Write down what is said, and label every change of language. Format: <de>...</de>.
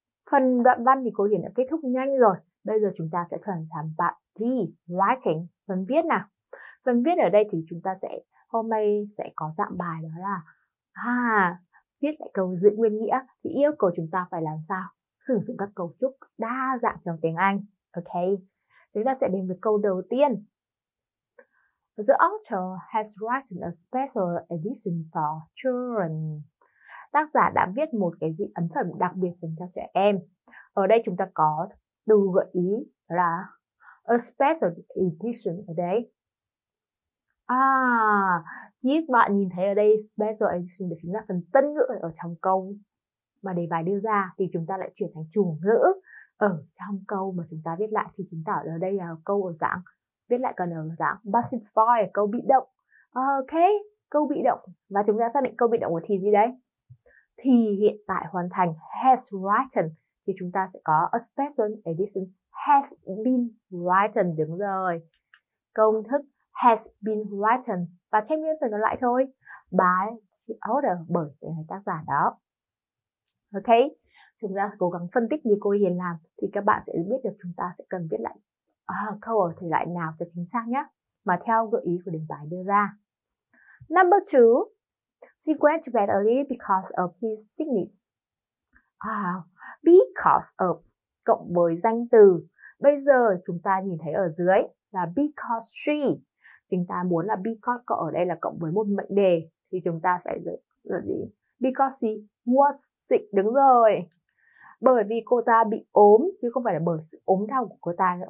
<vi>Phần đoạn văn thì cô Hiền đã kết thúc nhanh rồi. Bây giờ chúng ta sẽ chuyển sang bạn D, writing, phần viết nào. Phần viết ở đây thì chúng ta sẽ hôm nay sẽ có dạng bài đó là viết lại câu giữ nguyên nghĩa, thì yêu cầu chúng ta phải làm sao sử dụng các cấu trúc đa dạng trong tiếng Anh. Ok, chúng ta sẽ đến với câu đầu tiên.</vi> <en>The author has written a special edition for children.</en> <vi>Tác giả đã viết một cái gì ấn phẩm đặc biệt dành cho trẻ em. Ở đây chúng ta có từ gợi ý là a special edition ở đây. Như bạn nhìn thấy ở đây, special edition chính là phần tân ngữ ở trong câu mà đề bài đưa ra, thì chúng ta lại chuyển thành chủ ngữ ở trong câu mà chúng ta viết lại. Thì chúng ta ở đây là câu ở dạng viết lại, còn ở dạng passive voice, câu bị động. Ok, câu bị động. Và chúng ta xác định câu bị động của thì gì đấy? Thì hiện tại hoàn thành, has written, thì chúng ta sẽ có</vi> <en>a special edition has been written.</en> <vi>Đúng rồi, công thức has been written. Và thêm nguyên phần còn lại thôi,</vi> <en>by the author,</en> <vi>bởi tác giả đó. Ok, chúng ta cố gắng phân tích như cô Hiền làm, thì các bạn sẽ biết được chúng ta sẽ cần viết lại câu ở thể loại nào cho chính xác nhé, mà theo gợi ý của đề bài đưa ra.</vi> <en>Number 2, she went to bed early because of his sickness.</en> <vi>Because of cộng với danh từ. Bây giờ chúng ta nhìn thấy ở dưới là</vi> <en>because she.</en> <vi>Chúng ta muốn là because cậu ở đây là cộng với một mệnh đề, thì chúng ta sẽ gọi gì?</vi> <en>Because she was sick.</en> <vi>Đúng rồi, bởi vì cô ta bị ốm, chứ không phải là bởi sự ốm đau của cô ta nữa.</vi>